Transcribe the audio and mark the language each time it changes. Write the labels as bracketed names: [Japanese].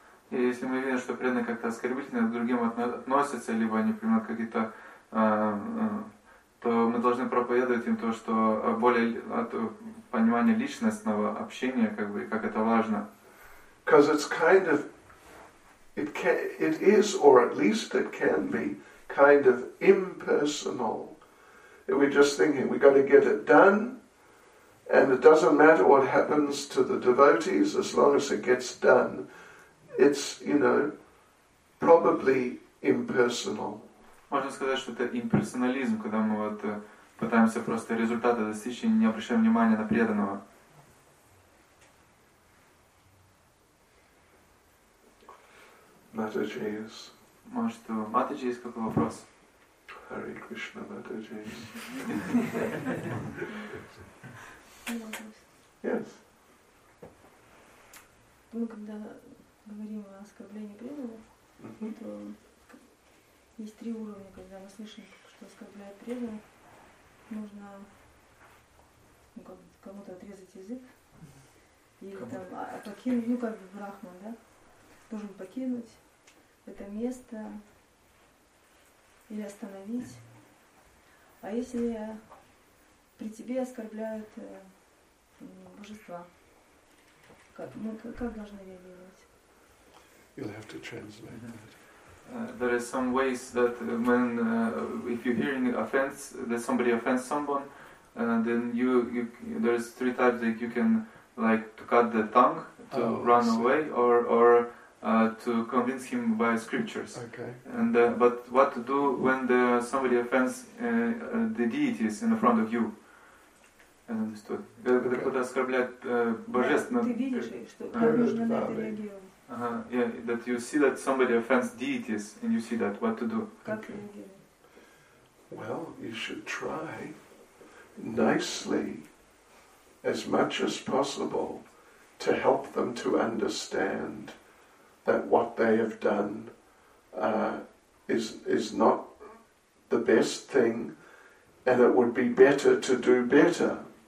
[Russian] И если мы видим, что преданные как-то оскорбительно к другим относятся, либо они принимают какие-то, то мы должны проповедовать им то, что более понимание личностного общения, как бы, как это важно. [English] Because it's kind of it is, or at least it can be, kind of impersonal. We're just thinking, we've got to get it done, and it doesn't matter what happens to the devotees, as long as it gets done, it's, you know, probably impersonal. [Russian] Можно сказать, что это имперсонализм, когда мы вот пытаемся просто результаты достичь и не обращаем внимания на преданного. [English] Матаджи is. [Russian] Может, у Матаджи есть какой вопрос? [English] Hare Krishna, Matthew. Yes. [Russian] Мы когда говорим о оскорблении преданного, то есть три уровня, когда мы слышим, что оскорбляют преданных. Нужно кому-то отрезать язык. Или там покинуть, ну как бы брахман, да? Должен покинуть это место. Или остановить. А если при тебе оскорбляют божества, как должны реагировать? [English] You'll have to translate that. There are some ways that when if you're hearing offense, that somebody offends someone, then you there's three types that you can, like, to cut the tongue, to run away, or to convince him by scriptures. Okay. And but what to do when somebody offends the deities in front of you? I understood. [Russian] Когда кто-то оскорбляет божественное. Ты видишь, что как нужно на это реагировать? [English] Yeah, that you see that somebody offends deities, and you see that, what to do? Okay. Well, you should try nicely, as much as possible, to help them to understand that what they have done is not the best thing, and it would be better to do better.